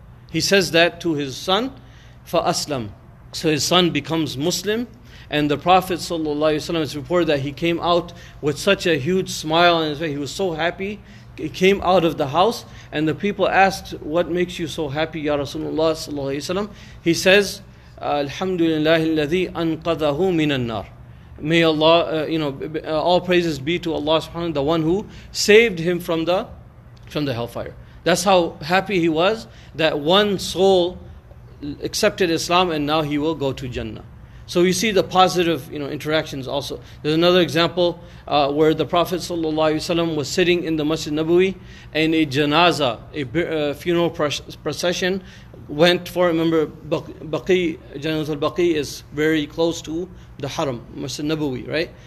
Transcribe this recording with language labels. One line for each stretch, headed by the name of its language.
English: He says that to his son, fa aslam. So his son becomes Muslim, and the Prophet ﷺ, it's reported that he came out with such a huge smile on his face. He was so happy. He came out of the house, and the people asked, "What makes you so happy, Ya Rasulullah ﷺ?" He says,
Arabic: "Alhamdulillah, الذي أنقذه من النار."
English: May Allah, all praises be to Allah Subhanahu wa Taala, the one who saved him from the hellfire. That's how happy he was that one soul accepted Islam and now he will go to Jannah. So you see the positive, you know, interactions also. There's another example where the Prophet ﷺ was sitting in the Masjid Nabawi and a janazah, a funeral procession went for, remember, Baqi, Janazah al-Baqi is very close to the Haram, Masjid Nabawi, right?